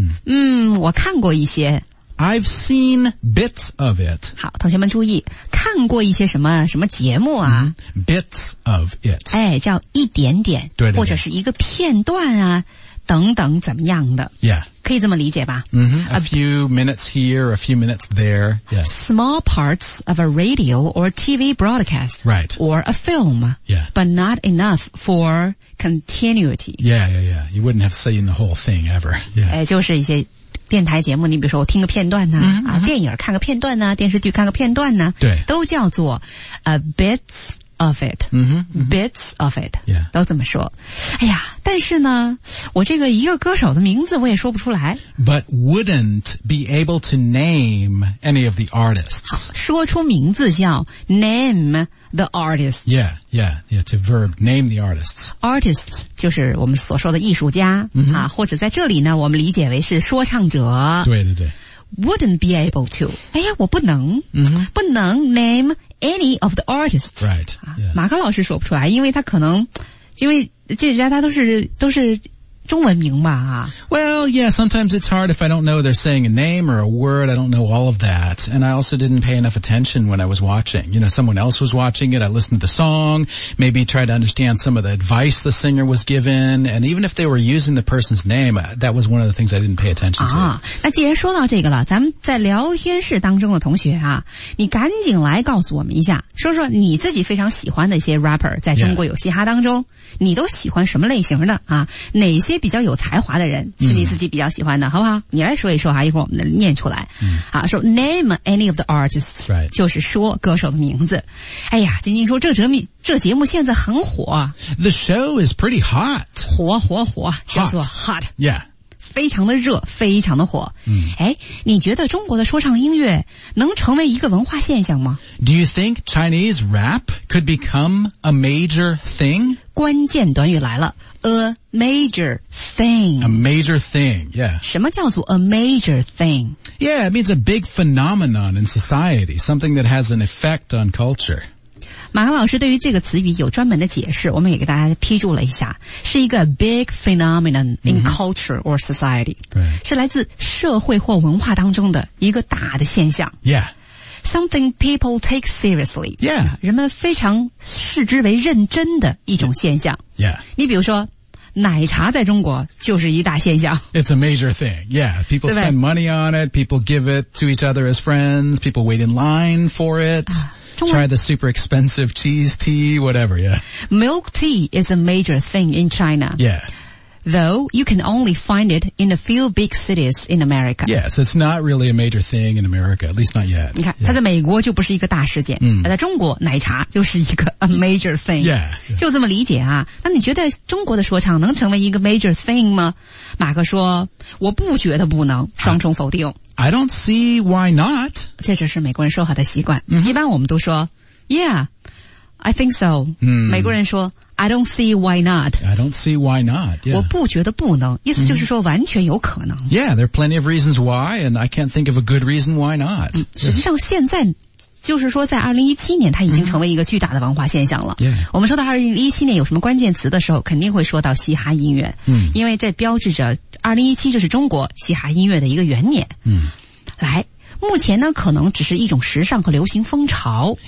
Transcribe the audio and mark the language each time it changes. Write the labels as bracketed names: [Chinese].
[Chinese] 嗯，我看过一些。 [English] I've seen bits of it. [Chinese] 好，同学们注意，看过一些什么什么节目啊、 [English] mm-hmm. ？Bits of it. [Chinese] 哎，叫一点点，对对对，或者是一个片段啊，等等，怎么样的 [English] ？Yeah. [Chinese] 可以这么理解吧、 mm-hmm. [English] ？A few minutes here, a few minutes there. Yes. Small parts of a radio or TV broadcast. Right. Or a film. Yeah. But not enough for continuity. Yeah, yeah, yeah. You wouldn't have seen the whole thing ever. Yeah. [Chinese] 哎，就是一些。电台节目，你比如说我听个片段呢、 mm-hmm. 啊，电影看个片段呢，电视剧看个片段呢，对，都叫做 [English] a bits of it、 mm-hmm. bits of it、 yeah. [Chinese] 都这么说。哎呀，但是呢我这个一个歌手的名字我也说不出来。 [English] But wouldn't be able to name any of the artists. [Chinese] 说出名字叫 [English] name the artists. Yeah, yeah, yeah, to verb name the artists. [Chinese] Artists 就是我们所说的艺术家、 mm-hmm. 啊，或者在这里呢我们理解为是说唱者。对对对。 [English] Wouldn't be able to. [Chinese] 哎呀，我不能、 mm-hmm. 不能 [English] name any of the artists. Right.、Yeah. [Chinese] 马克老师说不出来，因为他可能因为这家他都是中文名吧、啊、 [English] Well, yeah, sometimes it's hard if I don't know they're saying a name or a word. I don't know all of that. And I also didn't pay enough attention when I was watching. You know, someone else was watching it. I listened to the song, maybe tried to understand some of the advice the singer was given. And even if they were using the person's name, that was one of the things I didn't pay attention to. [Chinese] 啊，那既然说到这个了，咱们在聊天室当中的同学啊，你赶紧来告诉我们一下，说说你自己非常喜欢的一些 rapper 在中国有嘻哈当中、 [English] yeah. [Chinese] 你都喜欢什么类型的啊？哪些一些比较有才华的人是你自己比较喜欢的、嗯、好不好？你来说一说啊，一会儿我们念出来、嗯、好，说 [English] name any of the artists、 right. [Chinese] 就是说歌手的名字。哎呀，金金说这节目现在很火。 [English] The show is pretty hot. [Chinese] 火叫做 hot. [English] Yeah. [Chinese] 非常的热，非常的火、嗯、哎，你觉得中国的说唱音乐能成为一个文化现象吗？ [English] Do you think Chinese rap could become a major thing? [Chinese] 关键短语来了， [English] A major thing. A major thing, yeah. [Chinese] 什么叫做 [English] a major thing? Yeah, it means a big phenomenon in society, something that has an effect on culture. [Chinese] 马克老师对于这个词语有专门的解释，我们也给大家批注了一下，是一个 [English] big phenomenon in culture or society. [Chinese] 对，是来自社会或文化当中的一个大的现象。 [English] Yeah. Something people take seriously. Yeah. [Chinese] 人们非常视之为认真的一种现象。 [English] Yeah. [Chinese] 你比如说奶茶在中国就是一大现象。 [English] It's a major thing. Yeah. People spend money on it. People give it to each other as friends. People wait in line for it.、啊 Try the super expensive cheese tea, whatever, yeah. Milk tea is a major thing in China. Yeah. Though, you can only find it in a few big cities in America. Yes, it's not really a major thing in America, at least not yet. [Chinese] 你看, yeah. 它在美国就不是一个大事件。嗯。而在中国奶茶就是一个 [English] a major thing. Yeah. [Chinese] 就这么理解啊。那你觉得中国的说唱能成为一个 [English] major thing [Chinese] 吗？马克说，我不觉得不能，双重否定。 [English] I don't see why not. [Chinese] 这就是美国人说话的习惯。 Mm-hmm. 一般我们都说 , [English] yeah, I think so.、 Mm-hmm. [Chinese] 美国人说 [English] I don't see why not. I don't see why not.、Yeah. [Chinese] 我不觉得不能，意思就是说完全有可能。 Mm-hmm. [English] Yeah, there are plenty of reasons why, and I can't think of a good reason why not.、 Mm-hmm. [Chinese] 实际上现在就是说在2017年它已经成为一个巨大的文化现象了。 [English] Yeah. [Chinese] 我们说到2017年有什么关键词的时候，肯定会说到嘻哈音乐。 Mm-hmm. 因为这标志着2017就是中国嘻哈音乐的一个元年。 Mm-hmm. 来。目前呢可能只是一种时尚和流行风潮。